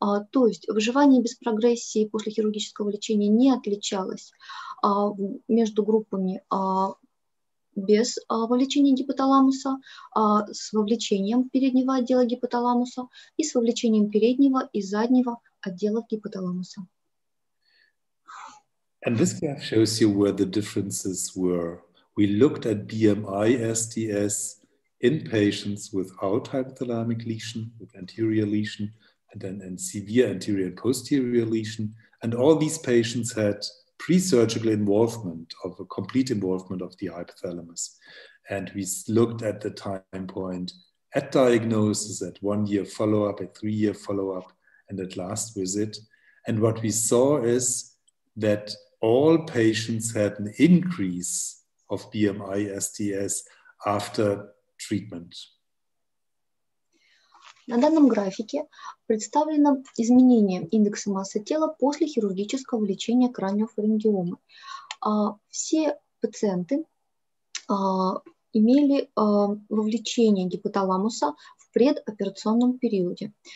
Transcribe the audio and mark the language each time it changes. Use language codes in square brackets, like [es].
[ru] То есть выживание без прогрессии после хирургического лечения не отличалось между группами без вовлечения гипоталамуса, с вовлечением переднего отдела гипоталамуса и с вовлечением переднего и заднего отдела гипоталамуса. [en] And this graph shows you where the differences were. We looked at BMI SDS in patients without hypothalamic lesion, with anterior lesion, and then in severe anterior and posterior lesion. And all these patients had pre-surgical involvement of a complete involvement of the hypothalamus. And we looked at the time point at diagnosis, at 1 year follow-up, at 3 year follow-up, and at last visit. And what we saw is that all patients had an increase of BMI SDS after treatment. [ru] На данном графике представлено изменение индекса массы тела после хирургического лечения краниофарингиомы. Все пациенты имели вовлечение гипоталамуса в предоперационном периоде.